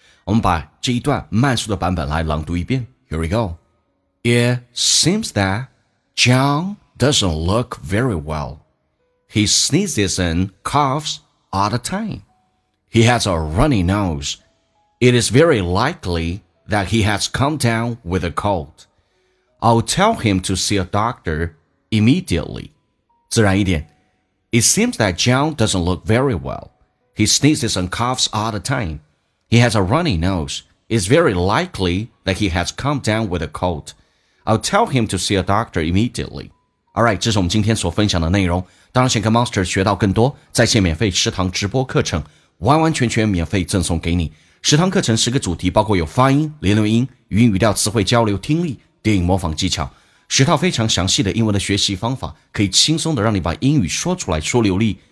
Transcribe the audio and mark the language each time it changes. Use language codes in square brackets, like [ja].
[zh] 我们把这一段慢速的版本来朗读一遍。 [en] Here we go. It seems that John doesn't look very well. He sneezes and coughs all the time. He has a runny nose. It is very likely that he has come down with a cold. I'll tell him to see a doctor immediately. [zh] 自然一点。 [en] It seems that John doesn't look very well. He sneezes and coughs all the time. He has a runny nose. It's very likely that he has come down with a cold. I'll tell him to see a doctor immediately. All right, [zh] 这是我们今天所分享的内容。当然想跟 Monster 学到更多在线免费食堂直播课程，完完全全免费赠送给你。食堂课程十个主题，包括有发音、连读音、语音语调、词汇交流、听力、电影模仿技巧，十套非常详细的英文的学习方法，可以轻松的让你把英语说出来，说流利。